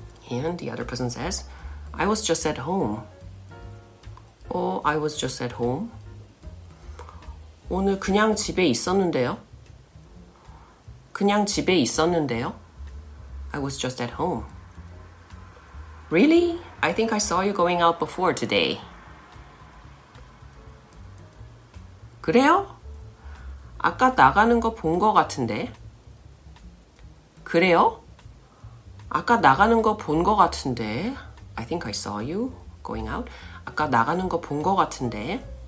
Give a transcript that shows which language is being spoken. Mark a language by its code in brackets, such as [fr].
[en] And the other person says, I was just at home. Oh, I was just at home. [ko] 오늘 그냥 집에 있었는데요? 그냥 집에 있었는데요? [en] I was just at home. Really? I think I saw you going out before today. [ko] 그래요? 아까 나가는 거 본 거 같은데. 그래요? 아까 나가는 거 본 거 같은데. [en] I think I saw you going out. [ko] 아까 나가는 거 본 거 같은데.